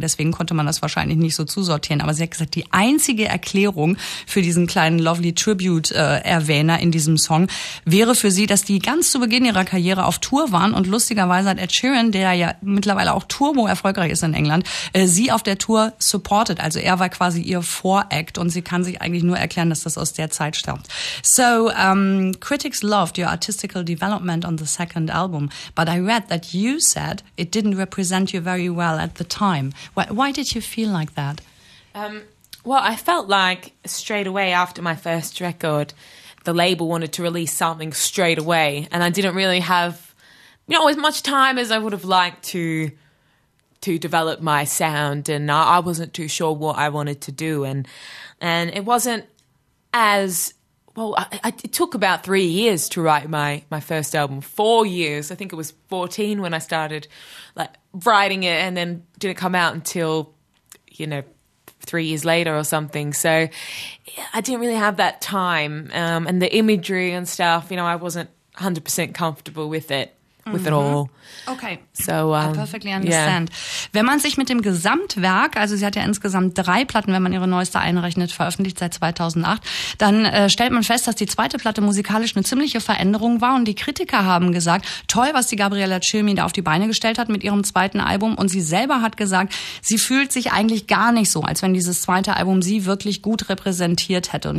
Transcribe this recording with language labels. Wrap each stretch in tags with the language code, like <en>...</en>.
<de>Deswegen konnte man das wahrscheinlich nicht so zusortieren. Aber sie hat gesagt, die einzige Erklärung für diesen kleinen Lovely Tribute-Erwähner in diesem Song wäre für sie, dass die ganz zu Beginn Beginn ihrer Karriere auf Tour waren und lustigerweise hat Ed Sheeran, der ja mittlerweile auch turbo erfolgreich ist in England, sie auf der Tour supported. Also er war quasi ihr Vor-Act und sie kann sich eigentlich nur erklären, dass das aus der Zeit stammt.</de> <en>So, critics loved your artistical development on the second album, but I read that you said it didn't represent you very well at the time. Why did you feel like that? Well, I felt like straight away after my first record, the label wanted to release something straight away. And I didn't really have, you know, as much time as I would have liked to develop my sound. And I wasn't too sure what I wanted to do. And it wasn't as, well, it took about 3 years to write my first album. 4 years. I think it was 14 when I started like writing it and then didn't come out until, you know, 3 years later or something. So I didn't really have that time and the imagery and stuff, you know, I wasn't 100% comfortable with it, with it all. Okay, so, I perfectly understand. Yeah.</en> <de>Wenn man sich mit dem Gesamtwerk, also sie hat ja insgesamt 3 Platten, wenn man ihre neueste einrechnet, veröffentlicht seit 2008, dann stellt man fest, dass die zweite Platte musikalisch eine ziemliche Veränderung war und die Kritiker haben gesagt, toll, was die Gabriella Cilmi da auf die Beine gestellt hat mit ihrem zweiten Album und sie selber hat gesagt, sie fühlt sich eigentlich gar nicht so, als wenn dieses zweite Album sie wirklich gut repräsentiert hätte.</de>